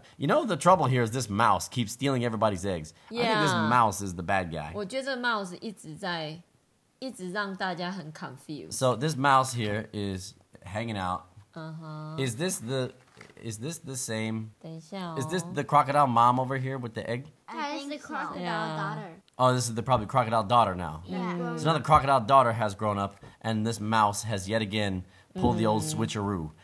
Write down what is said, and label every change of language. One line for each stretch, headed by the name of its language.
English: You know the trouble here is this mouse keeps stealing everybody's eggs. Yeah. I think this mouse is the bad guy.
Chinese: 我觉得mouse一直让大家很 confused.
English: So this mouse here is hanging out. Is this the same?
Chinese: 等一下哦。
English: Is this the crocodile mom over here with the egg? I think the crocodile daughter. Oh, this is probably the crocodile daughter now. Yeah. So now the crocodile daughter has grown up, and this mouse has yet again pulled the old switcheroo.